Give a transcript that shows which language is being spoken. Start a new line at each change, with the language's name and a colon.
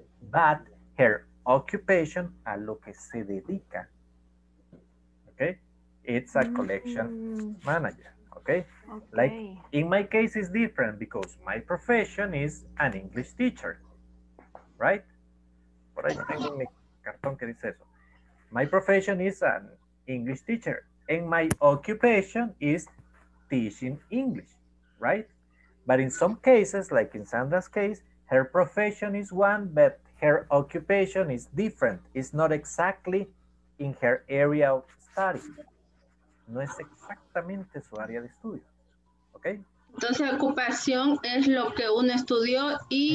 English: But her occupation,
Spanish: a lo que se dedica,
English: okay? It's a collection manager, okay? Like, in my case, it's different because my profession is an English teacher, right?
Spanish: Por ahí tengo mi cartón que dice eso.
English: My profession is an English teacher. And my occupation is teaching English, right? But in some cases, like in Sandra's case, her profession is one, but her occupation is different. It's not exactly in her area of study.
Spanish: No es exactamente su área de estudio, okay? Entonces, ocupación es lo que uno estudió y...